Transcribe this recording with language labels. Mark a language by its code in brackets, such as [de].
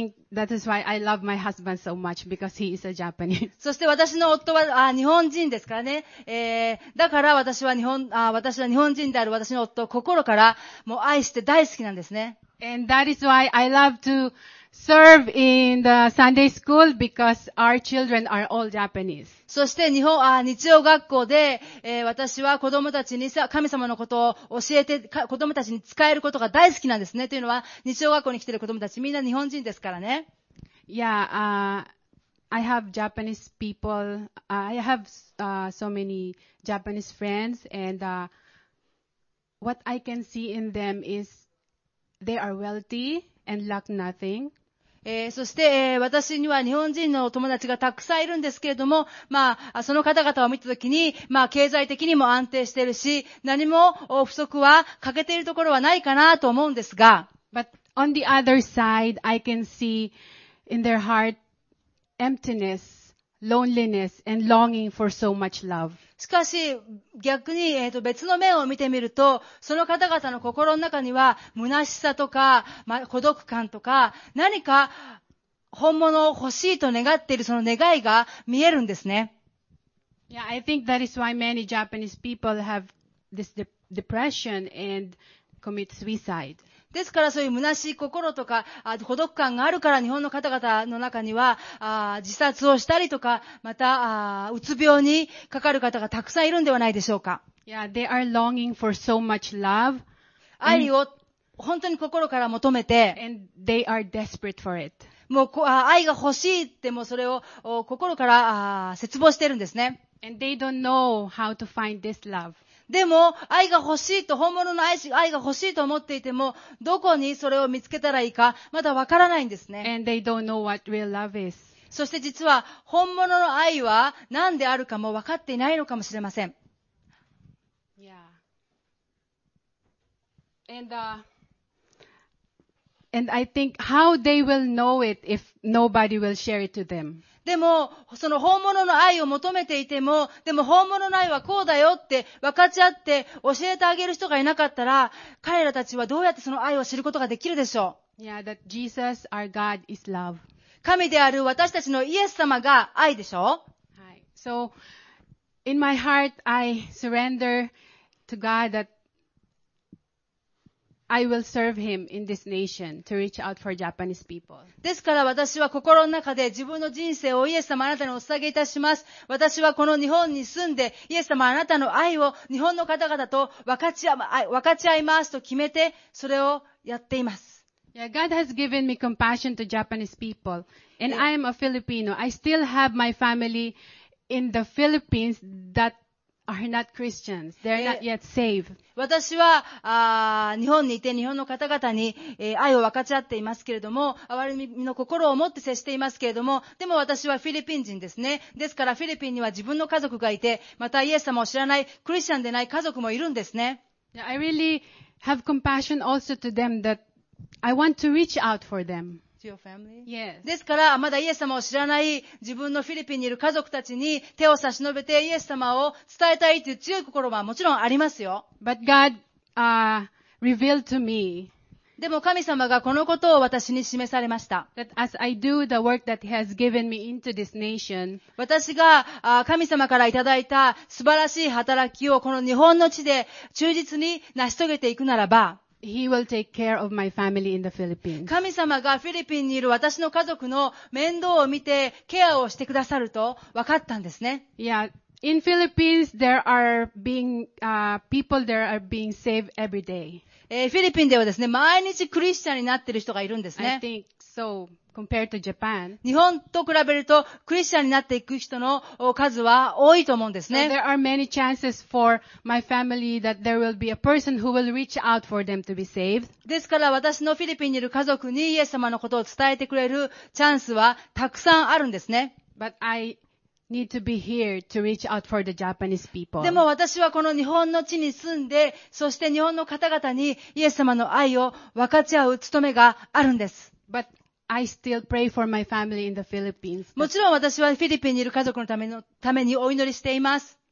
[en] That is why I love my husband so much, because he is a Japanese. [ja] そして私の夫は日本人ですからね。だから私は日本人である私の夫を心からもう愛して大好きなんですね。 [en] And that is why I love to serve in the Sunday school because our children are all Japanese. [ja] そして日曜学校で、私は子供たちに神様のことを教えて、子供たちに使えることが大好きなんですね。というのは、日曜学校に来ている子供たちみんな日本人ですからね。 [en] Yeah, I have Japanese people. I have, so many Japanese friends and, what I can see in them is they are wealthy. And lack nothing. [ja] そして、私には日本人の友達がたくさんいるんですけれども、まあ、その方々を見たときに、まあ、経済的にも安定しているし、何も不足は欠けているところはないかなと思うんですが。 [en] But on the other side, I can see in their heart emptiness. Loneliness and longing for so much love. [ja] しかし逆に、別の面を見てみると、その方々の心の中には虚しさとか、ま、孤独感とか、何か本物を欲しいと願っているその願いが見えるんですね。 [en] Yeah, I think that is why many Japanese people have this depression and commit suicide. [ja] ですからそういう虚しい心とか孤独感があるから日本の方々の中には自殺をしたりとかまたうつ病にかかる方がたくさんいるんではないでしょうか。 [en] Yeah, they are longing for so much love. [ja] 愛を本当に心から求めて。 [en] And they are desperate for it. [ja] もう愛が欲しいってもそれを心から切望してるんですね。 [en] And they don't know how to find this love. [ja] でも愛が欲しいと、本物の愛が欲しいと思っていても、どこにそれを見つけたらいいかまだわからないんですね。 [en] And they don't know what real love is. [ja] そして実は本物の愛は何であるかも分かっていないのかもしれません。 [en] Yeah. And I think how they will know it if nobody will share it to them. [ja] でもその本物の愛を求めていても、でも本物の愛はこうだよって分かち合って教えてあげる人がいなかったら、彼らたちはどうやってその愛を知ることができるでしょう。 [en] Yeah, that Jesus, our God, is love. [ja] 神である私たちのイエス様が愛でしょう。はい。 [en] So in my heart, I surrender to God thatI will serve him in this nation to reach out for Japanese people. [ja] ですから私は心の中で自分の人生をイエス様あなたにお捧げいたします。私はこの日本に住んでイエス様あなたの愛を日本の方々と分かち合いますと決めて、それをやっています。 [en] Yeah, God has given me compassion to Japanese people. And I am a Filipino. I still have my family in the Philippines that are not Christians. They're not yet saved. [ja] 私は日本にいて日本の方々に、愛を分かち合っていますけれども、憐れみの心を持って接していますけれども、でも私はフィリピン人ですね。ですからフィリピンには自分の家族がいて、またイエス様を知らないクリスチャンでない家族もいるんですね。 [en] I really have compassion also to them that I want to reach out for them. To your family? Yes. [ja] ですから、まだイエス様を知らない自分のフィリピンにいる家族たちに手を差し伸べてイエス様を伝えたいという強い心はもちろんありますよ。 [en] But God, revealed to me. [ja] でも神様がこのことを私に示されました。 [en] That as I do the work that He has given me into this nation. [ja] 私が神様からいただいた素晴らしい働きをこの日本の地で忠実に成し遂げていくならば、 [en] He will take care of my family in the Philippines. [ja] 神様がフィリピンにいる私の家族の面倒を見てケアをしてくださると分かったんですね。 [en] Yeah, in Philippines there are being people there are being saved every day. [ja] フィリピンではですね、毎日クリスチャンになっている人がいるんですね。 [en] I think so. Compared to Japan, [ja] 日本と比べるとクリスチャンになっていく人の数は多いと思うんですね。 [en] There are many chances for my family that there will be a person who will reach out for them to be saved. [ja] ですから私のフィリピンにいる家族にイエス様のことを伝えてくれるチャンスはたくさんあるんですね。 [en] But I need to be here to reach out for the Japanese people. [ja] でも私はこの日本の地に住んで、そして日本の方々にイエス様の愛を分かち合う務めがあるんです。 [en] ButI still pray for my family in the Philippines. [ja] もちろん私はフィリピンにいる家族のためにお祈りしています。